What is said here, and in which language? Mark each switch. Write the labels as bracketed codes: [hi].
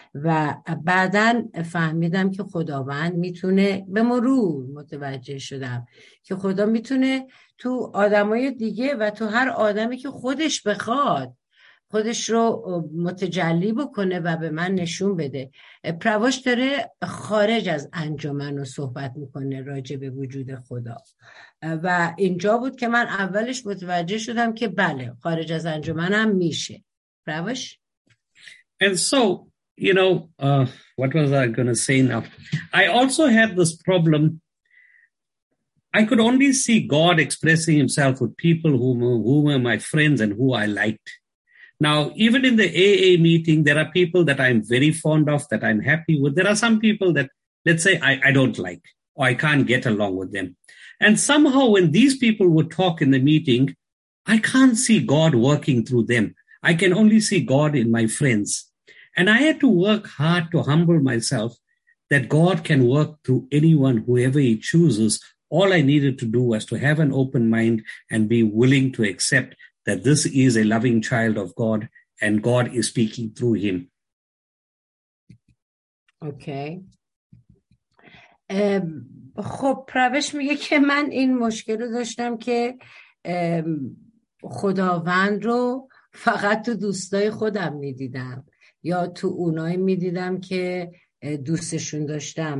[fa] و بعدن فهمیدم که خداوند می تونه، به مرور متوجه شدم که خدا می تونه تو آدمای دیگه و تو هر آدمی که خودش بخواد خودش رو متجلی بکنه و به من نشون بده. پرواش داره خارج از انجمن رو صحبت میکنه راجع به وجود خدا، و اینجا بود که من اولش متوجه شدم که بله، خارج از انجمنم میشه. پرواش؟ [en] And so, you know, what was I going to say now? I also had this problem. I could only see God expressing himself with people who were my friends and who I liked. Now, even in the AA meeting, there are people that I'm very fond of, that I'm happy with. There are some people that, let's say, I don't like, or I can't get along with them. And somehow when these people would talk in the meeting, I can't see God working through them. I can only see God in my friends. And I had to work hard to humble myself that God can work through anyone, whoever he chooses. All I needed to do was to have an open mind and be willing to accept that this is a loving child of God and God is speaking through him. Okay. [fa] خب پروش میگه که من این مشکل رو داشتم که خداوند رو فقط تو دوستای خودم میدیدم یا تو اونایی میدیدم که دوستشون داشتم.